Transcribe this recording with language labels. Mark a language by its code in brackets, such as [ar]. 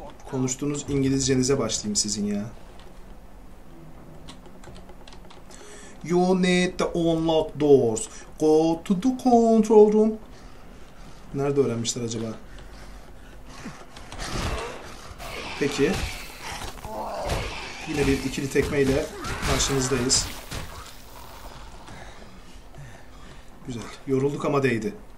[tr] Konuştuğunuz İngilizcenize başlayayım sizin ya. [en] You need the unlock doors. Go to the control room. [tr] Nerede öğrenmişler acaba? Peki. Yine bir ikili tekmeyle karşınızdayız. Güzel. Yorulduk ama değdi.